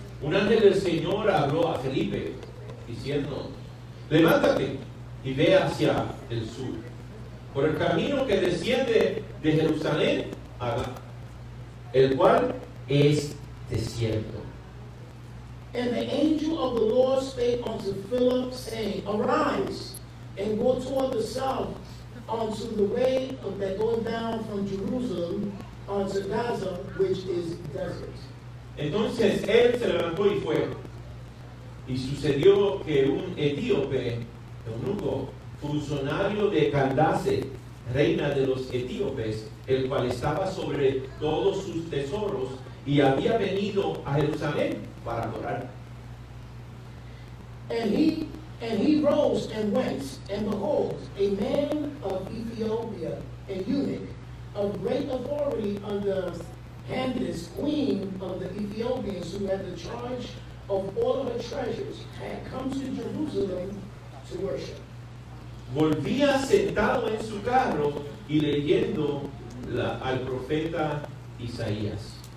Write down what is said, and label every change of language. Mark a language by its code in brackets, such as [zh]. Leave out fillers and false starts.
[es] Un ángel del Señor habló a Felipe diciendo: Levántate y ve hacia el sur, por el camino que desciende de Jerusalén a Gaza, el cual es desierto. [en] And the angel of the Lord spake unto Philip, saying, Arise and go toward the south, unto the way of that going down from Jerusalem unto Gaza, which is desert. [es] Entonces él se levantó y fue. Y sucedió que un etíope, eunuco, funcionario de Candace, reina de los etíopes, el cual estaba sobre todos sus tesoros y había venido a Jerusalén para adorar. [en] And he rose and went, and behold, a man of Ethiopia, a eunuch, of great authority under Candace, queen of the Ethiopians, who had the charge of all of her treasures, had come to Jerusalem to worship. [es] Volvía sentado en su carro y leyendo al profeta Isaías.